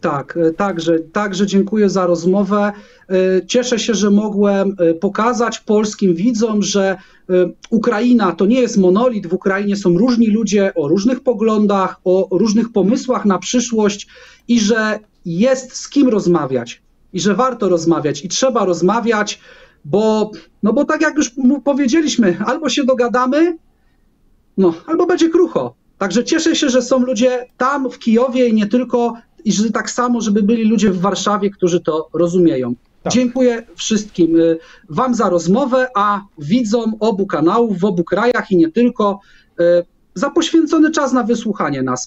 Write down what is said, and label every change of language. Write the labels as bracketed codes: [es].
[uk] Так, також дякую за розмову. Тішуся, що могłem показати польським відзом, що Україна – то не є моноліт. В Україні є різні люди о різних поглядах, о різних помислах на прийшлость. І що є з ким розмовляти. І що варто розмовляти. І треба розмовляти, бо так як вже повідомили, або ще догадаємо, [pl] no, albo będzie krucho. Także cieszę się, że są ludzie tam w Kijowie i nie tylko, i że tak samo, żeby byli ludzie w Warszawie, którzy to rozumieją. Tak. Dziękuję wszystkim wam za rozmowę, a widzom obu kanałów w obu krajach i nie tylko za poświęcony czas na wysłuchanie nas.